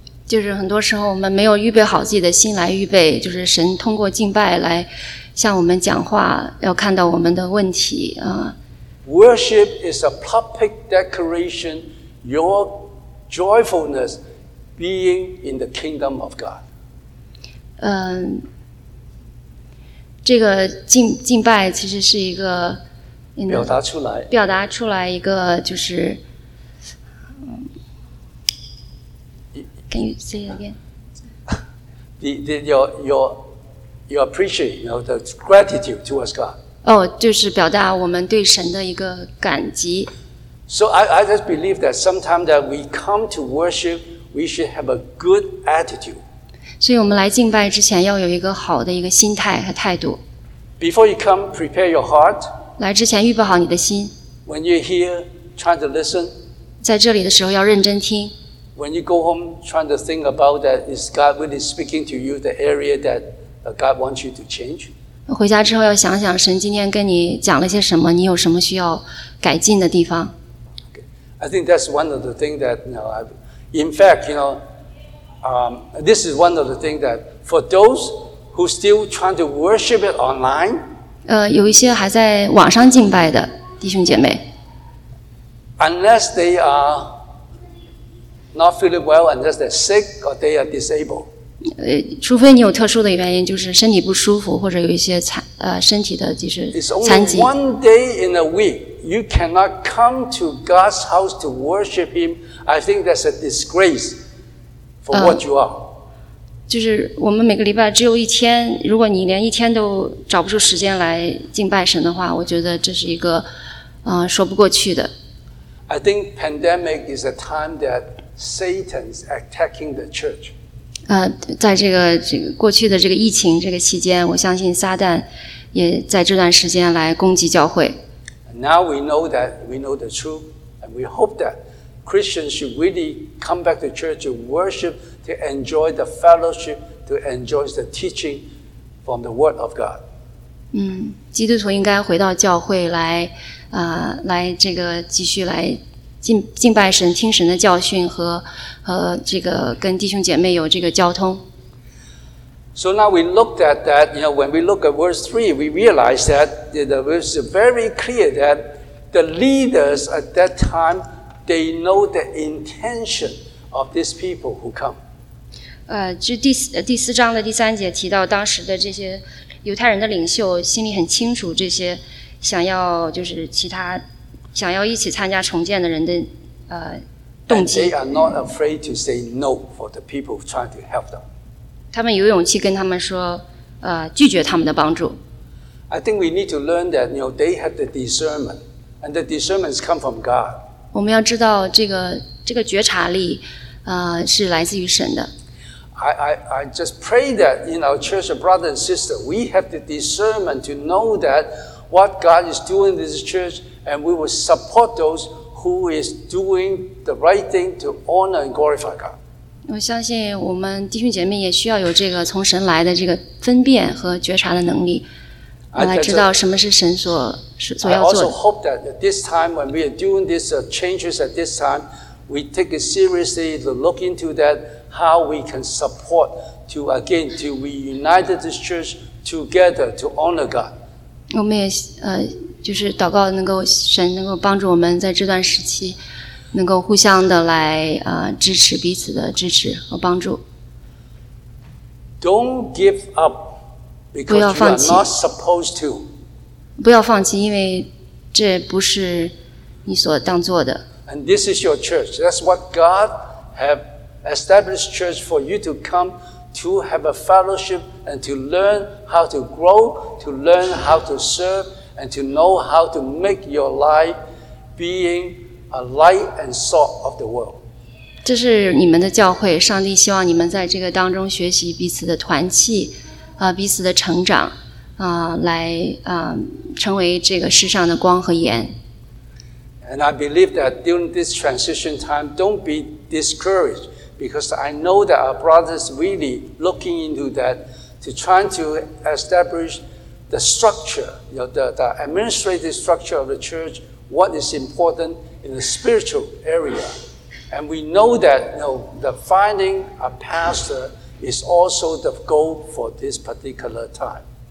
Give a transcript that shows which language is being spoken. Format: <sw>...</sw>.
<zh>就是很多时候我们没有预备好自己的心来预备，就是神通过敬拜来向我们讲话，要看到我们的问题啊。</zh> <en>Worship is a public declaration your joyfulness being in the kingdom of God.</en> <zh>这个敬拜其实是一个</zh> <en>you know,</en> <zh>表达出来一个就是</zh> <en>Can you say it again? Your appreciate, you know, the gratitude towards God.</en> <zh>就是表达我们对神的一个感激。</zh> <en>So I just believe that sometime that we come to worship, we should have a good attitude.</en> <zh>所以我们来敬拜之前要有一个好的一个心态和态度。</zh> <en>Before you come, prepare your heart.</en> <zh>来之前预备好你的心。</zh> <en>When you're here, try to listen.</en> <zh>在这里的时候要认真听。</zh> <en>When you go home, try to think about that, is God really speaking to you the area that God wants you to change?</en> <zh>回家之后要想想神今天跟你讲了些什么，你有什么需要改进的地方。</zh> <en>Okay. I think that's one of the things that, you know, this is one of the things that for those,Who still trying to worship it online?</en> <zh>有一些还在网上敬拜的弟兄姐妹。</zh> <en>Unless they are not feeling well, unless they're sick or they are disabled.</en> <zh>除非你有特殊的原因，就是身体不舒服或者有一些身体的就是残疾。</zh> <en>It's only one day in a week you cannot come to God's house to worship Him. I think that's a disgrace for what you are.</en> <zh>就是我们每个礼拜只有一天，如果你连一天都找不出时间来敬拜神的话，我觉得这是一个，说不过去的。</zh> <en>I think pandemic is a time that Satan's attacking the church.</en> <zh>在这个过去的这个疫情这个期间，我相信撒旦也在这段时间来攻击教会。</zh> <en>Now we know the truth, And we hope that Christians should really come back to church to worship, to enjoy the fellowship, to enjoy the teaching from the Word of God.</en> <zh>基督徒应该回到教会来，来这个继续来敬拜神，听神的教训和这个跟弟兄姐妹有这个交通。</zh> <en>So now we looked at that, you know, when we look at verse 3, we realize that it was very clear that the leaders at that time, they know the intention of these people who come.</en> <zh>第四章的第三节提到当时的这些犹太人的领袖心里很清楚这些想要就是其他想要一起参加重建的人的动机。</zh> <en>And they are not afraid to say no for the people trying to help them.</en> <zh>他们有勇气跟他们说，拒绝他们的帮助。</zh> <en>I think we need to learn that, you know, they have the discernment, and the discernment comes from God.</en> <zh>我们要知道这个觉察力，是来自于神的。</zh> <en>I just pray that in our church of brothers and sisters, we have the discernment to know that what God is doing in this church, and we will support those who is doing the right thing to honor and glorify God.</en> <zh>我相信我们弟兄姐妹也需要有这个从神来的这个分辨和觉察的能力，来知道什么是神所要做的。</zh> <en>I also hope that at this time when we are doing these changes at this time, we take it seriously to look into that how we can support to again to reunite this church together to honor God.</en> <zh>我们也就是祷告能够神能够帮助我们在这段时期。能够互相的来支持彼此的支持和帮助。</zh> <en>Don't give up because you are not supposed to.</en> <zh>不要放弃，因为这不是你所当做的。</zh> <en>And this is your church. That's what God have established church for you to come to have a fellowship and to learn how to grow, to learn how to serve, and to know how to make your life being. A light and salt of the world.</en> <zh>这是你们的教会，上帝希望你们在这个当中学习彼此的团契，彼此的成长，来成为这个世上的光和盐。</zh> <en>And I believe that during this transition time, don't be discouraged, because I know that our brothers really looking into that to try to establish the structure, you know, the administrative structure of the church. What is important. In the spiritual area, and we know that you know, the finding a pastor is also the goal for this particular time.</en>